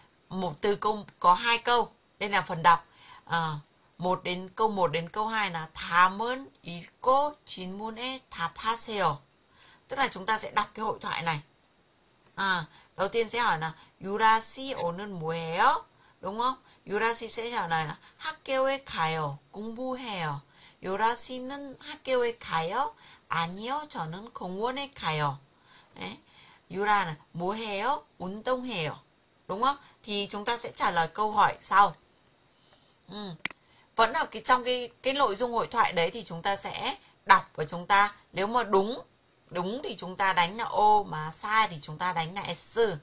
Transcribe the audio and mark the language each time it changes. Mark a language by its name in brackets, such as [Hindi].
[Vietnamese] Một từ câu có hai câu, đây là phần đọc. Một đến câu 1 đến câu 2 là [Korean] 다음은 읽고 질문에 답하세요. [Vietnamese] Tức là chúng ta sẽ đọc cái hội thoại này. Đầu tiên sẽ hỏi là Yura si [Korean] ổn은 뭐예요? [Vietnamese] Đúng không? Yura si sẽ trả lời là [Korean] 학교에 가요. 공부해요. Yura si는 학교에 가요? 아니요, 저는 공원에 가요. 네. Yura는 뭐해요? 운동해요. [Vietnamese] đúng không? Thì chúng ta sẽ trả lời câu hỏi sau. Vẫn ở cái trong cái nội dung hội thoại đấy, thì chúng ta sẽ đọc và chúng ta nếu mà đúng đúng thì chúng ta đánh là O, mà sai thì chúng ta đánh là S.